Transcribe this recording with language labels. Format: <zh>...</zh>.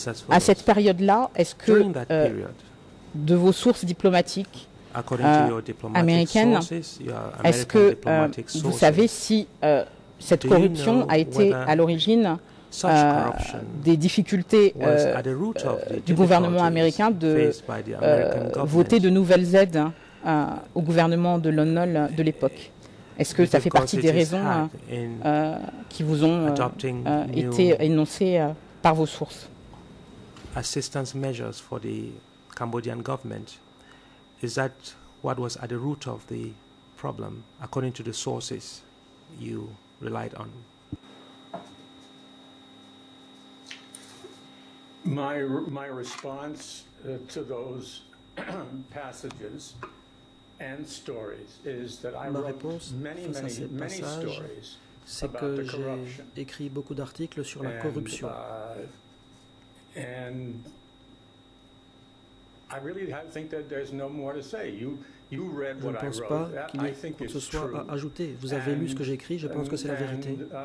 <fr>À cette période-là, est-ce que de vos sources diplomatiques américaines, est-ce que vous savez si cette corruption a été à l'origine des difficultés du gouvernement américain de voter de nouvelles aides au gouvernement de Lon Nol de l'époque? Est-ce que ça fait partie des raisons qui vous ont été énoncées par vos sources?</fr> <en>Assistance measures for the Cambodian government, is that what was at the root of the problem according to the sources you relied on? My response to those passages and stories is that I wrote many stories</en> <fr>c'est que j'ai écrit beaucoup d'articles sur la corruption.</fr> <en>And I really think that there's no more to say. You read what I wrote. I think it's true.</en> <fr>À ajouter. Vous avez lu ce que j'ai écrit, je pense que c'est la vérité.</fr>